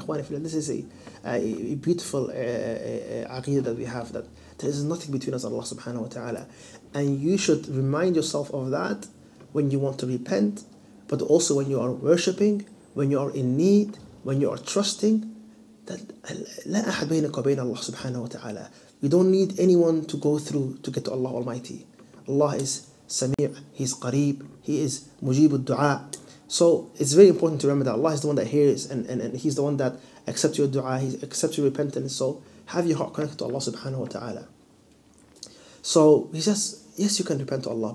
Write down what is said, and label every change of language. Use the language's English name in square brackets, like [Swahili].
[English] Ikhwan, this is a beautiful aqeedah that we have, that there is nothing between us and Allah subhanahu wa ta'ala. And you should remind yourself of that when you want to repent, but also when you are worshipping, when you are in need, when you are trusting. that [Arabic] لا أحد بينك وبين الله سبحانه وتعالى. [English] You don't need anyone to go through to get to Allah Almighty. Allah is Sami', He is Qareeb, He is Mujib al-Dua. So it's very important to remember that Allah is the one that hears and He's the one that accepts your dua, He accepts your repentance. So have your heart connected to Allah subhanahu wa ta'ala. So he says, yes, you can repent to Allah.